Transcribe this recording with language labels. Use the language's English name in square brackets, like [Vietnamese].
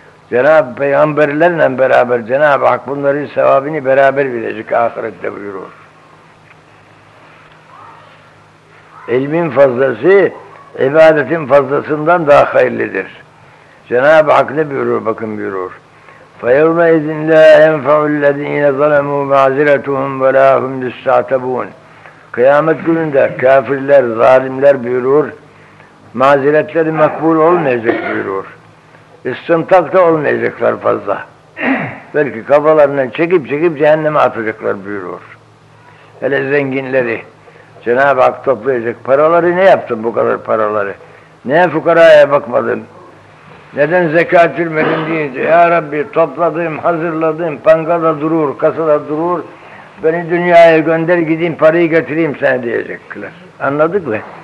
[Turkish] Cenab-ı Peygamberlerle beraber Cenab-ı Hak bunların sevabını beraber verecek ahirette buyurur. İlmin fazlası ibadetin fazlasından daha hayırlıdır. Cenab-ı Hak ne buyurur bakın buyurur. [Arabic] فَيَوْمَ اِذِنْ لَا يَنْفَعُ الَّذ۪ينَ ظَلَمُوا مَعْزِرَتُهُمْ وَلَا هُمْ يُسْتَعْتَبُونَ [Turkish] Kıyamet gününde kafirler, zalimler buyurur, mazeretleri makbul olmayacak buyurur. İstintak da olmayacaklar fazla. Belki kafalarından çekip çekip cehenneme atacaklar buyurur. Hele zenginleri, Cenab-ı Hak toplayacak paraları, ne yaptın bu kadar paraları? Neye fukaraya bakmadın? Neden zekat vermedin deyince, ya Rabbi topladım, hazırladım, bankada durur, kasada durur, beni dünyaya gönder gideyim parayı getireyim sana diyecekler. Anladık mı?